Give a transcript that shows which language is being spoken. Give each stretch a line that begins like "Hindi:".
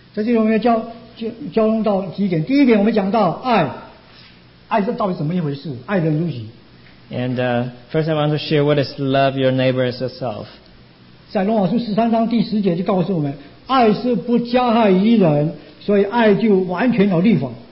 Chinese: 这就是我们要交通到几点?第一点我们讲到爱是到底怎么一回事? 爱人如己。
English: And first I want to share what is love your neighbor as yourself.
Chinese: 在罗马书13章第10节就告诉我们, 爱是不加害于人, 所以爱就完全有立法。